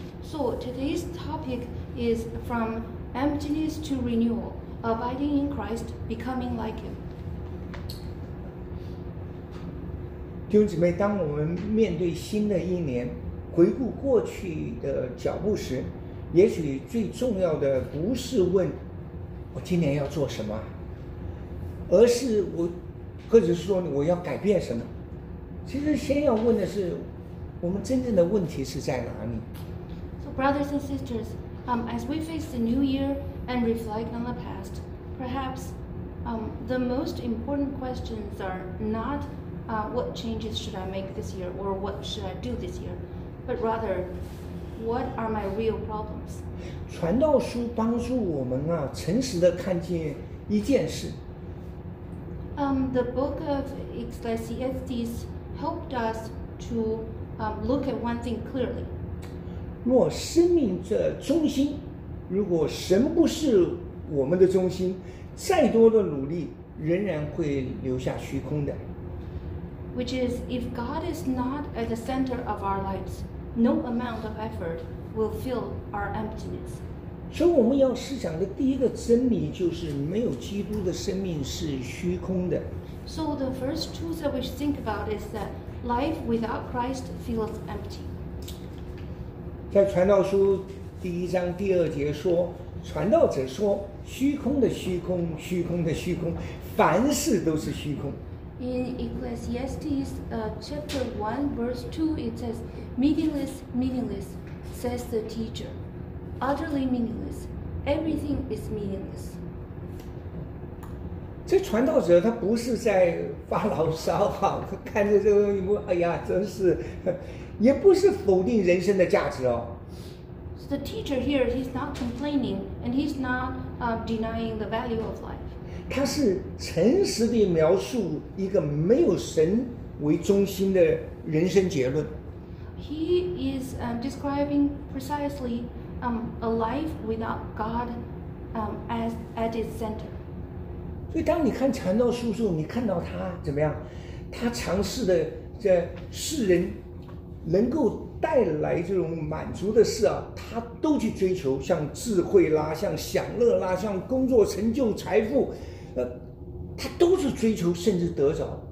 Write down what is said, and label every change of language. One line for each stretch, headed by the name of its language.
English: So today's topic is from emptiness to renewal, abiding in Christ, becoming like Him.
Chinese: 弟兄姊妹，当我们面对新的一年，回顾过去的脚步时，也许最重要的不是问我今年要做什么，而是我。或者是说我要改变什么？其实先要问的是，我们真正的问题是在哪里
English: ？So brothers and sisters, as we face the new year and reflect on the past, perhaps the most important questions are not what changes should I make this year or what should I do this year, but rather what are my real problems?
Chinese: 传道书帮助我们啊，诚实的看见一件事。
English: The book of Ecclesiastes helped us to look at one thing clearly.
Chinese: 若生命的中心，如果神不是我们的中心，再多的努力仍然会留下虚空的。
English: Which is, if God is not at the center of our lives, no amount of effort will fill our emptiness.
Chinese: 所以我们要思想的第一个真理就是，没有基督的生命是虚空的。
English: So the first truth that we should think about is that life without Christ feels empty.
Chinese: 在传道书第一章第二节说，传道者说，虚空的虚空，虚空的虚空，凡事都是虚空。
English: In Ecclesiastes, chapter 1, verse 2, it says, meaningless, meaningless, says the teacher. Utterly meaningless. Everything is meaningless.
Chinese: 这传道者他不是在发牢骚哈，他看着这个东西，哎呀，真是，也不是否定人生的价值哦。
English: So、the teacher here, he's not complaining, and he's not denying the value of life.
Chinese: 他是诚实地描述一个没有神为中心的人生结论。
English: He is describing precisely. A life without God as at its center.
Chinese: 所以当你看传道书的时候，你看到他怎么样？他尝试的这世人能够带来这种满足的事啊，他都去追求，像智慧啦，像享乐啦，像工作成就、财富，他都是追求，甚至得着。